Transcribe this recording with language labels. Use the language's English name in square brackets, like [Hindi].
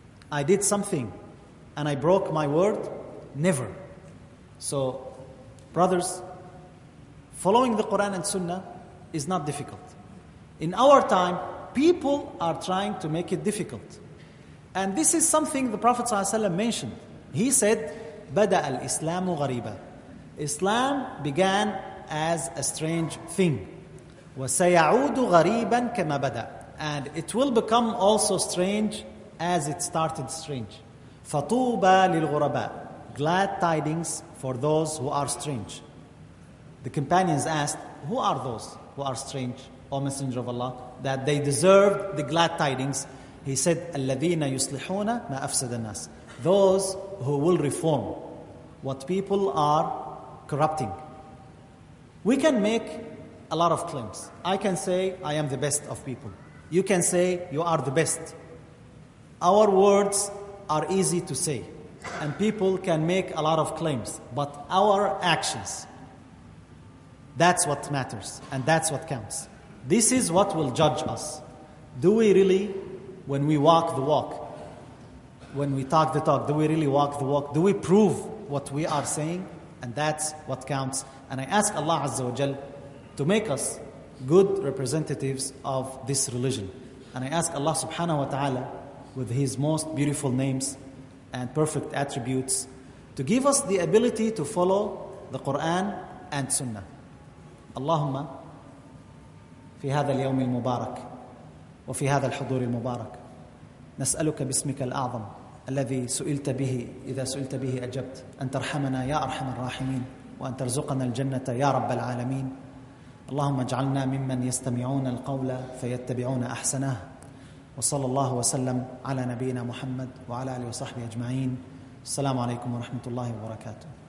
[English] I did something and I broke my word? Never. So, brothers, following the Quran and Sunnah is not difficult. In our time, people are trying to make it difficult. And this is something the Prophet ﷺ mentioned. He said, [Arabic] بَدَأَ الْإِسْلَامُ غَرِيبًا. [English] Islam began as a strange thing. [Arabic] وَسَيَعُودُ غَرِيبًا كَمَا بَدَأ. [English] And it will become also strange as it started strange. [Arabic] فَطُوبَ لِلْغُرَبَاء. [English] Glad tidings for those who are strange. The companions asked, who are those who are strange, O Messenger of Allah, that they deserved the glad tidings? He said, [Arabic] الَّذِينَ يُصْلِحُونَ مَا أَفْسَدَ النَّاسِ. [English] Those who will reform what people are corrupting. We can make a lot of claims. I can say I am the best of people. You can say you are the best. Our words are easy to say, and people can make a lot of claims. But our actions, that's what matters, and that's what counts. This is what will judge us. Do we really, when we walk the walk, When we talk the talk, do we really walk the walk? Do we prove what we are saying? And that's what counts. And I ask Allah Azza wa Jal to make us good representatives of this religion. And I ask Allah subhanahu wa ta'ala, with His most beautiful names and perfect attributes, to give us the ability to follow the Quran and Sunnah. [Arabic] Allahumma, في هذا اليوم المبارك وفي هذا الحضور المبارك نسألك باسمك الأعظم الذي سئلت به إذا سئلت به أجبت أن ترحمنا يا أرحم الراحمين وأن ترزقنا الجنة يا رب العالمين اللهم اجعلنا ممن يستمعون القول فيتبعون أحسنه وصلى الله وسلم على نبينا محمد وعلى آله وصحبه أجمعين السلام عليكم ورحمة الله وبركاته.